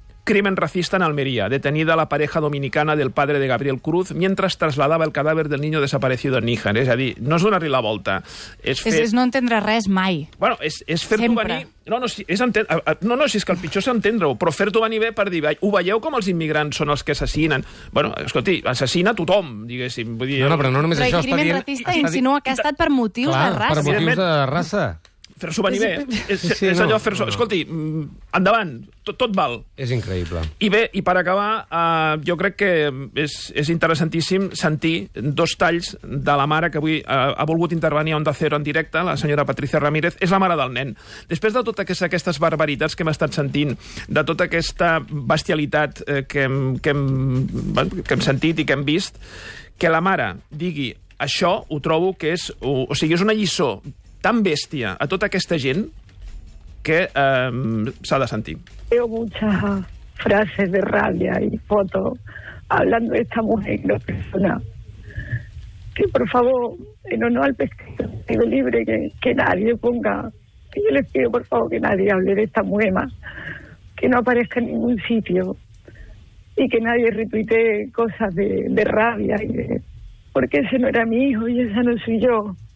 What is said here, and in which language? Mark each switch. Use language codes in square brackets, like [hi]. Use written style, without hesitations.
[es] Crimen racista en Almería. Detenida la pareja dominicana del padre de Gabriel Cruz mientras trasladaba el cadáver del niño desaparecido en Níjar. [ca] És a dir, no és donar-li la volta. És no entendre res mai. Bueno, és fer-t'ho venir... No, si és que el pitjor és entendre-ho, però fer-t'ho venir bé per dir, ho veieu com els immigrants són els que assassinen? Bueno, escolti, assassina tothom, diguéssim. Vull dir, però no només però això. [es] El crimen racista [ca] insinua que ha estat per motius clar, de raça. Per motius de raça. Fer-s'ho venir bé. És allò fer-s'ho... No. Escolti, endavant, tot val. És increïble. I bé, i per acabar, jo crec que és interessantíssim sentir dos talls de la mare que avui ha volgut intervenir a Onda Cero en directe, la senyora Patricia Ramírez, és la mare del nen. Després de totes aquestes barbaritats que hem estat sentint, de tota aquesta bestialitat que hem sentit i que hem vist, que la mare digui això, ho trobo que és... O sigui, és una lliçó tan bèstia a tota aquesta gent que s'ha de sentir. [es] Veo muchas frases de rabia y fotos hablando de esta mujer y no persona. Que por favor, en honor al pescado libre, que nadie ponga, que yo les pido por favor que nadie hable de esta mujer más, que no aparezca en ningún sitio y que nadie retuite cosas de rabia y de porque ese no era mi hijo y esa no soy yo.